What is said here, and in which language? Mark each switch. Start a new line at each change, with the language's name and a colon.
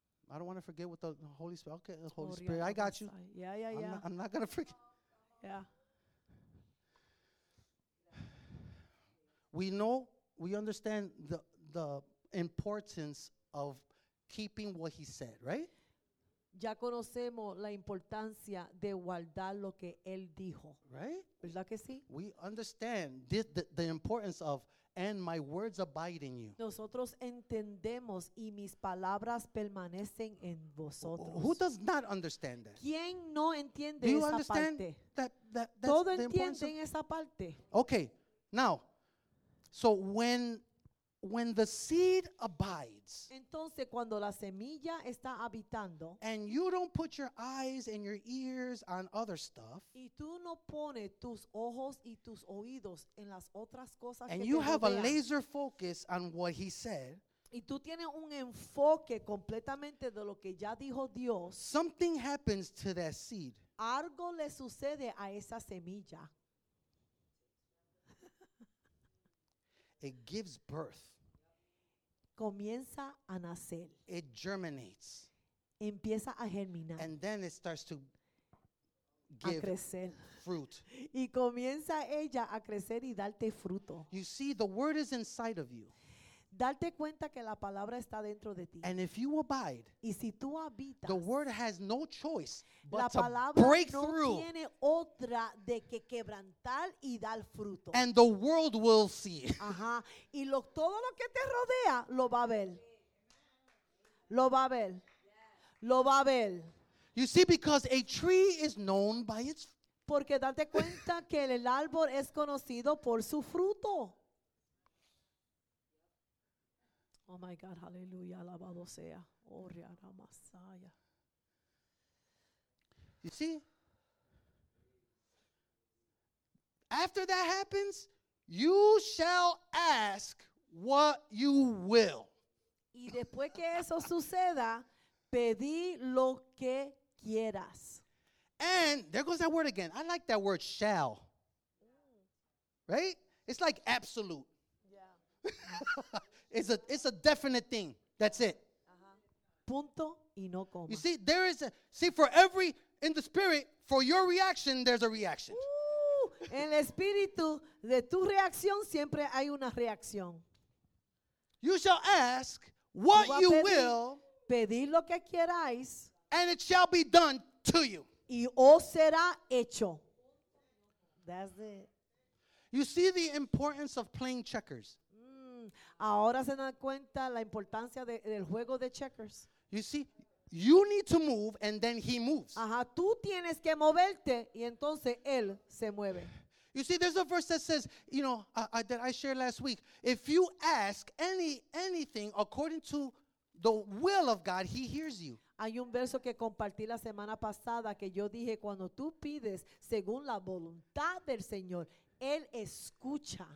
English: I don't want to forget what the Holy Spirit. Okay, the Holy Spirit. I got you. Yeah. I'm not gonna forget. Yeah. We know, we understand the importance of keeping what he said, right?
Spanish: Ya conocemos la importancia de guardar lo que él dijo.
English: Right?
Spanish: ¿Verdad que sí?
English: We understand the importance of, and my words abide in you.
Spanish: Nosotros entendemos y mis palabras permanecen en vosotros.
English: Who does not understand that?
Spanish: ¿Quién no entiende
English: Do you understand that?
Spanish: Todo entienden esa parte.
English: Okay, now, so when the seed abides,
Spanish: entonces cuando la semilla está habitando,
English: and you don't put your eyes and your ears on other stuff,
Spanish: y tú no pones tus ojos y tus oídos en las otras cosas,
English: and
Spanish: que
English: you
Spanish: te
English: have
Spanish: rodean,
English: a laser focus on what he said,
Spanish: y tú tienes un enfoque completamente de lo que ya dijo Dios,
English: something happens to that seed.
Spanish: Algo le sucede a esa semilla.
English: It gives birth.
Spanish: Comienza a nacer.
English: It germinates.
Spanish: Empieza a germinar.
English: And then it starts to give fruit.
Spanish: Y comienza ella a crecer y darte fruto.
English: You see, the word is inside of you.
Spanish: Darte cuenta que la palabra está dentro de ti.
English: And if you abide,
Spanish: y si tú habitas,
English: the word has no choice but to break through.
Spanish: La palabra no tiene otra de que quebrantar y dar fruto.
English: And the world will see.
Spanish: Ajá. Y lo, todo lo que te rodea lo va a ver. Lo va a ver. Lo va a ver.
English: You see, because a tree is known by its fruit.
Spanish: Porque date cuenta que el árbol es conocido por su fruto.
English: Oh my God, hallelujah,
Spanish: alabado sea.
English: Oria ramasaya. You see? After that happens, you shall ask what you will.
Spanish: Y después que eso suceda, pedí lo que quieras.
English: And there goes that word again. I like that word, shall. Right? It's like absolute. Yeah. It's a definite thing. That's it.
Spanish: Punto y no coma.
English: You see, there is a, see, for every, in the spirit, for your reaction, there's a reaction.
Spanish: En el espíritu de tu reacción, siempre hay una reacción.
English: You shall ask what you will,
Spanish: pedir lo que queráis,
English: and it shall be done to you.
Spanish: Y os será hecho.
English: That's it. You see the importance of playing checkers.
Spanish: Ahora se dan cuenta la importancia del juego de checkers.
English: You see, you need to move and then he moves.
Spanish: Ajá, tú tienes que moverte y entonces él se mueve.
English: You see, there's a verse that says, you know, that I shared last week. If you ask anything according to the will of God, he hears you.
Spanish: Hay un verso que compartí la semana pasada que yo dije, cuando tú pides según la voluntad del Señor, él escucha.